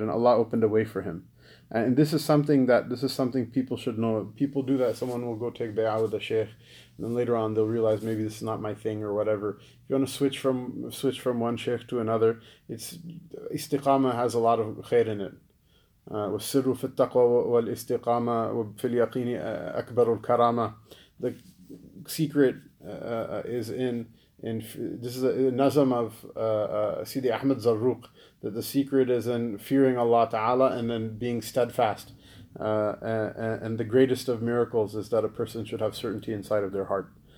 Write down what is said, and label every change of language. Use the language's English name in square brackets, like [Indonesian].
[English] And Allah opened a way for him. And this is something people should know. People do that. Someone will go take bay'ah with a sheikh, and then later on they'll realize maybe this is not my thing or whatever. If you want to switch from one sheikh to another, it's istiqama has a lot of khair in it. [Arabic] والسر في التقوى والاستقامة وفي اليقين أكبر الكرامة. [English] The secret is in this is a nazam of Sidi Ahmed Zarruq, that the secret is in fearing Allah Ta'ala and then being steadfast. And the greatest of miracles is that a person should have certainty inside of their heart.